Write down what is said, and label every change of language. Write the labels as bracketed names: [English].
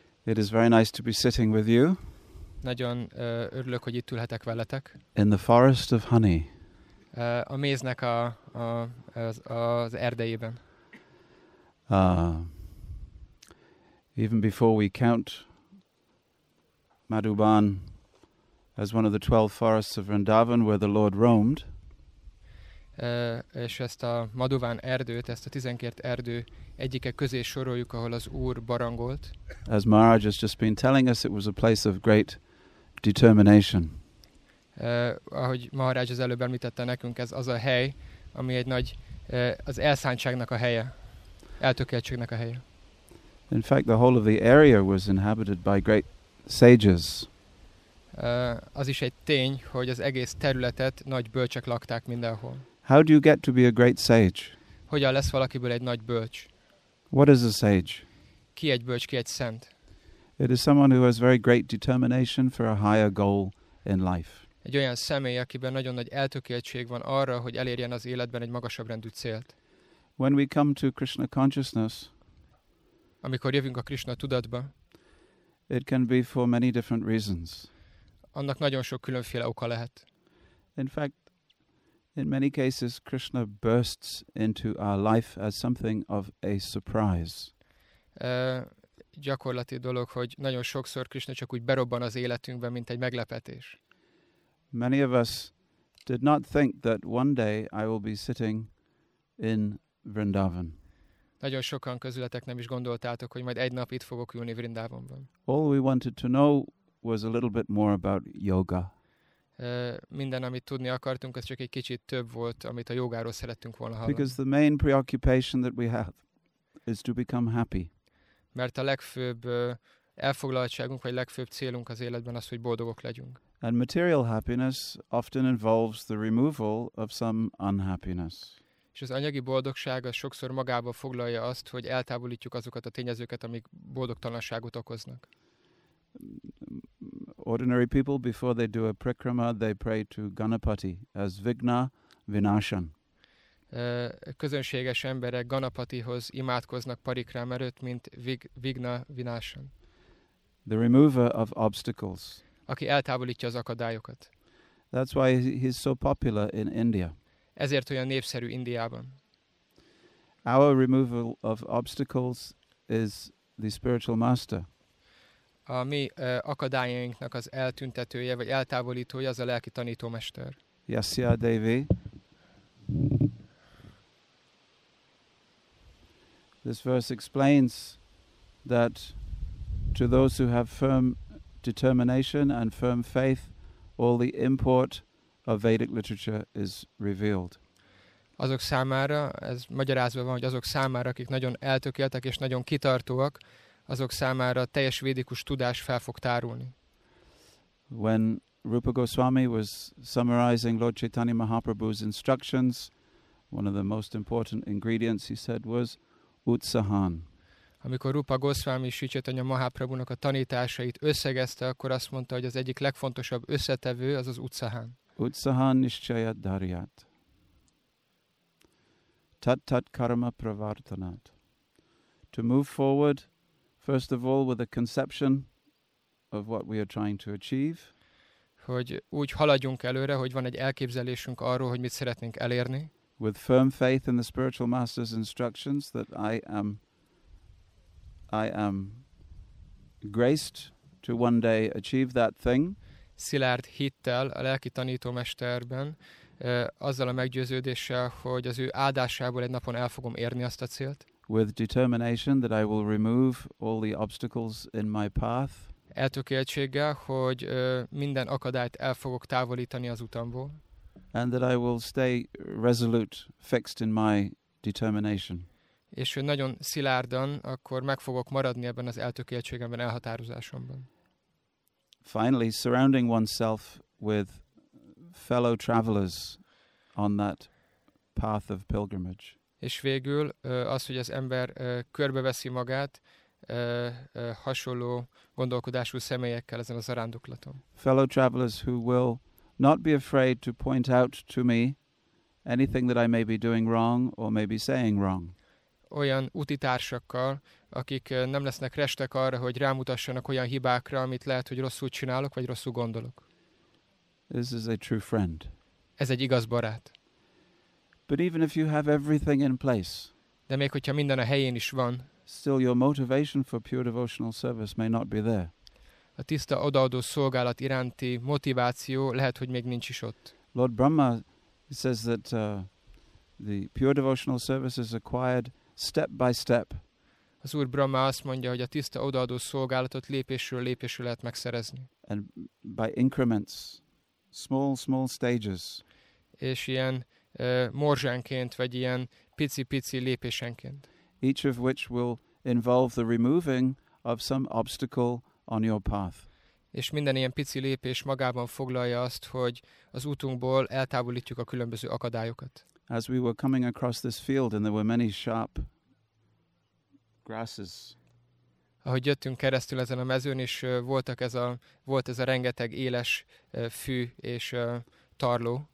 [English] It is very nice to be sitting with you. [Hungarian] Nagyon örülök, hogy itt ülhetek veletek. [English] In the forest of honey. [Hungarian] A méznek az erdejében. [English] Even before we count Madhuban as one of the 12 forests of Vrindavan where the Lord roamed. [Hungarian] És ezt a Madhuban erdőt, ezt a 12 erdő egyike közé soroljuk, ahol az Úr barangolt. [English] As Maharaj has just been telling us, it was a place of great determination. [Hungarian] Ahogy Maharaj az előbb említette nekünk, ez az a hely, ami egy nagy, az elszántságnak a helye, eltökéltségnek a helye. [English] In fact, the whole of the area was inhabited by great sages. [Hungarian] Az is egy tény, hogy az egész területet nagy bölcsek lakták mindenhol. [English] How do you get to be a great sage? [Hungarian] Hogyan lesz valakiből egy nagy bölcs? [English] What is a sage? [Hungarian] Ki egy bölcs, ki egy szent? [English] It is someone who has very great determination for a higher goal in life. [Hungarian] Egy olyan személy, akiben nagyon nagy eltökéltség van arra, hogy elérjen az életben egy magasabb rendű célt. [English] When we come to Krishna consciousness, [Hungarian] amikor jövünk a Krishna tudatba, [English] it can be for many different reasons. [Hungarian] Annak nagyon sok különféle oka lehet. [English] In fact, in many cases, Krishna bursts into our life as something of a surprise. [Hungarian] Gyakorlati dolog, hogy nagyon sokszor Krishna csak úgy berobban az életünkbe, mint egy meglepetés. [English] Many of us did not think that one day I will be sitting in Vrindavan. [Hungarian] Nagyon sokan közületek nem is gondoltátok, hogy majd egy nap itt fogok ülni Vrindavanban. [English] All we wanted to know was a little bit more about yoga. [Hungarian] Minden, amit tudni akartunk, az csak egy kicsit több volt, amit a jogáról szerettünk volna hallani. [English] Because the main preoccupation that we have is to become happy. [Hungarian] Mert a legfőbb elfoglaltságunk, vagy legfőbb célunk az életben az, hogy boldogok legyünk. [English] And material happiness often involves the removal of some unhappiness. [Hungarian] És az anyagi boldogság az sokszor magába foglalja azt, hogy eltávolítjuk azokat a tényezőket, amik boldogtalanságot okoznak. [English] Ordinary people, before they do a prakrama, they pray to Ganapati as Vigna Vinashan. [Hungarian] Közönséges emberek Ganapatihoz imádkoznak parikrám erőt, mint Vigna Vinashan. [English] The remover of obstacles. [Hungarian] Aki eltávolítja az akadályokat. [English] That's why he's so popular in India. [Hungarian] Ezért olyan népszerű Indiában. [English] Our removal of obstacles is the spiritual master. [Hungarian] A mi akadályainknak az eltüntetője, vagy eltávolítója, az a lelki tanítómester. [Sanskrit] Yasya Devi. [English] This verse explains that to those who have firm determination and firm faith, all the import of Vedic literature is revealed. [Hungarian] Azok számára, ez magyarázva van, hogy azok számára, akik nagyon eltökéltek és nagyon kitartóak, azok számára teljes védikus tudás fel fog tárulni. [English] When Rupa Goswami was summarizing Lord Chaitanya Mahaprabhu's instructions, one of the most important ingredients he said was utsahan. [Hungarian] Amikor Rupa Goswami Sri Chaitanya Mahaprabhu-nak a tanításait összegezte, akkor azt mondta, hogy az egyik legfontosabb összetevő az az utsahan. [Sanskrit] Utsahan nischayat dharyat. Tat tat karma pravartanat. [English] To move forward, first of all, with a conception of what we are trying to achieve. [Hungarian] Hogy úgy haladjunk előre, hogy van egy elképzelésünk arról, hogy mit szeretnénk elérni. [English] with firm faith in the spiritual master's instructions that I am graced to one day achieve that thing. [Hungarian] Szilárd hittel a lelki tanítómesterben, azzal a meggyőződéssel, hogy az ő áldásából egy napon el fogom érni azt a célt. [English] With determination that I will remove all the obstacles in my path. [Hungarian] Eltökéltséggel, hogy minden akadályt el fogok távolítani az utamból. [English] And that I will stay resolute, fixed in my determination. [Hungarian] És hogy nagyon szilárdan, akkor meg fogok maradni ebben az eltökéltségemben, elhatározásomban. [English] Finally, surrounding oneself with fellow travelers on that path of pilgrimage. [Hungarian] És végül az, hogy az ember körbeveszi magát hasonló gondolkodású személyekkel ezen a zarándoklaton. [English] Fellow travelers who will not be afraid to point out to me anything that I may be doing wrong or may be saying wrong. [Hungarian] Olyan utitársakkal, akik nem lesznek restek arra, hogy rámutassanak olyan hibákra, amit lehet, hogy rosszul csinálok, vagy rosszul gondolok. [English] This is a true friend. [Hungarian] Ez egy igaz barát. [English] But even if you have everything in place, [Hungarian] de még hogyha minden a helyén is van, [English] still your motivation for pure devotional service may not be there. [Hungarian] A tiszta odaadó szolgálat iránti motiváció lehet, hogy még nincs is ott. [English] Lord Brahma says that the pure devotional service is acquired step by step. [Hungarian] Az Úr Brahma azt mondja, hogy a tiszta odaadó szolgálatot lépésről lépésre lehet megszerezni. [English] And by increments, small, small stages. [Hungarian] És ilyen morzsánként, vagy ilyen pici-pici lépésenként. [English] Each of which will involve the removing of some obstacle on your path. [Hungarian] És minden ilyen pici lépés magában foglalja azt, hogy az útunkból eltávolítjuk a különböző akadályokat. [English] As we were coming across this field and there were many sharp grasses. [Hungarian] Ahogy jöttünk keresztül ezen a mezőn, és volt ez a rengeteg éles fű és tarló.